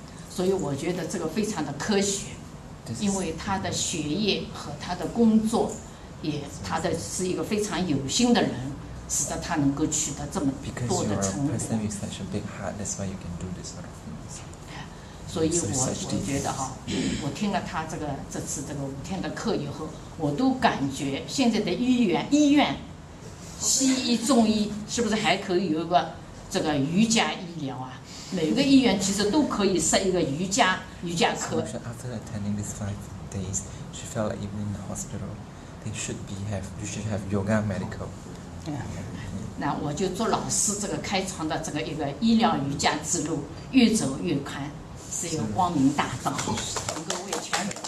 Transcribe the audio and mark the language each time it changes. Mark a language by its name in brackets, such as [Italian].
[Chinese] 所以我觉得这个非常的科学，因为他的学业和他的工作，也他的是一个非常有心的人，使得他能够取得这么多的成果。 [English] Because you're a person with such a big heart, that's why you can do this sort of things. [Chinese] 所以我觉得哈，我听了他这个这次这个五天的课以后，我都感觉现在的医院，西医、中医是不是还可以有一个这个瑜伽医疗啊？每个医院其实都可以设一个瑜伽科。 [English] So after attending these 5 days, she felt like even in the hospital, you should have yoga medical. Yeah. [Chinese] 那我就做老师这个开创的这个一个医疗瑜伽之路越走越宽，是一个光明大道，能够为全美国